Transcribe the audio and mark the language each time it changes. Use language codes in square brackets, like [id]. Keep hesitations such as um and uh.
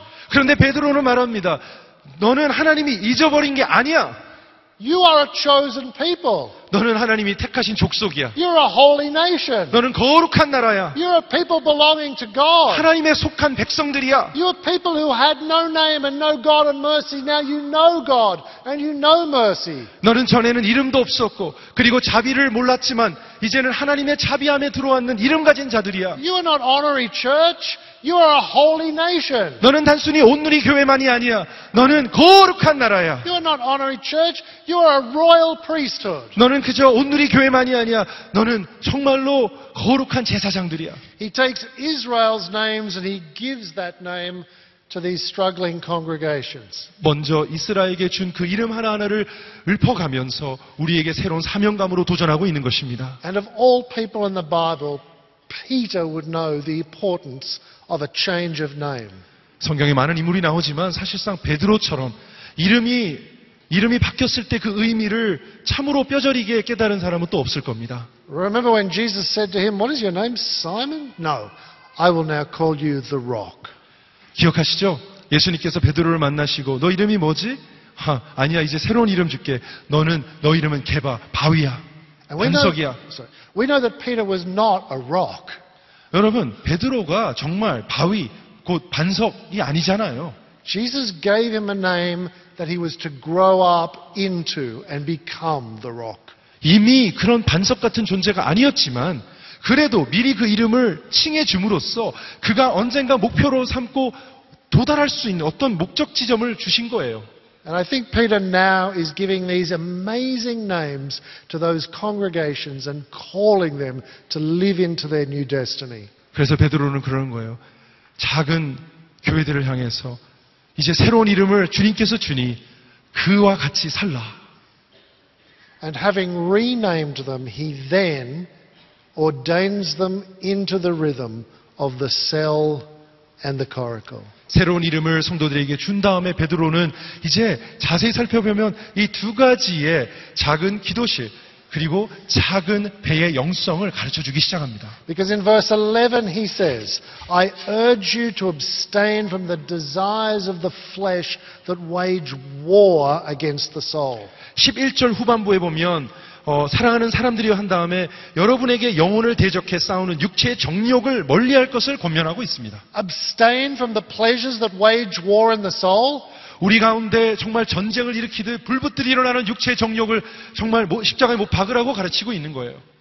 [ko] 그런데 베드로는 말합니다. 너는 하나님이 잊어버린 게 아니야. 너는 하나님이 택하신 족속이야. [en] You're a holy nation. 너는 [ko] 거룩한 나라야. [en] You're a people belonging to God. [ko] 하나님의 속한 백성들이야. [en] You're people who had no name and no God and mercy. Now you know God and you know mercy. [ko] 너는 전에는 이름도 없었고 그리고 자비를 몰랐지만 이제는 하나님의 자비함에 들어왔는 이름 가진 자들이야. [en] You are not honorary church. You are a holy nation. [ko] 너는 단순히 온누리 교회만이 아니야. 너는 거룩한 나라야. [en] You are not honorary church. You are a royal priesthood. [ko] 너는 그저 온누리 교회만이 아니야. 너는 정말로 거룩한 제사장들이야. [en] He takes Israel's names and he gives that name to these struggling congregations. [ko] 먼저 이스라엘에게 준 그 이름 하나하나를 읊어가면서 우리에게 새로운 사명감으로 도전하고 있는 것입니다. [en] And of all people in the Bible, Peter would know the importance of a change of name. [ko] 성경에 많은 인물이 나오지만 사실상 베드로처럼 이름이 이름이 바뀌었을 때 그 의미를 참으로 뼈저리게 깨달은 사람은 또 없을 겁니다. [en] Remember when Jesus said to him, "What is your name, Simon?" No, I will now call you the Rock. 기억하시죠? [ko] 예수님께서 베드로를 만나시고 너 이름이 뭐지? 하, 아니야 이제 새로운 이름 줄게. 너는 너 이름은 개바 바위야. 반석이야. [en] We know that Peter was not a rock. [ko] 여러분 베드로가 정말 바위 곧 반석이 아니잖아요. [en] Jesus gave him a name that he was to grow up into and become the rock. [ko] 이미 그런 반석 같은 존재가 아니었지만 그래도 미리 그 이름을 칭해 줌으로써 그가 언젠가 목표로 삼고 도달할 수 있는 어떤 목적 지점을 주신 거예요. [en] And I think Peter now is giving these amazing names to those congregations and calling them to live into their new destiny. [ko] 그래서 베드로는 그러는 거예요. 작은 교회들을 향해서 이제 새로운 이름을 주님께서 주니 그와 같이 살라. [en] And having renamed them, he then ordains them into the rhythm of the cell and the coracle. [ko] 새로운 이름을 성도들에게 준 다음에 베드로는 이제 자세히 살펴보면 이 두 가지의 작은 기도실, 그리고 작은 배의 영성을 가르쳐 주기 시작합니다. [en] Because in verse 11 he says, I urge you to abstain from the desires of the flesh that wage war against the soul. [ko] 11절 후반부에 보면 어, 사랑하는 사람들이 한 다음에 여러분에게 영혼을 대적해 싸우는 육체의 정욕을 멀리할 것을 권면하고 있습니다. [en] Abstain from the pleasures that wage war in the soul. [ko] 우리 가운데 정말 전쟁을 일으키듯 불붙들이 일어나는 육체의 정욕을 정말 십자가에 못 박으라고 가르치고 있는 거예요.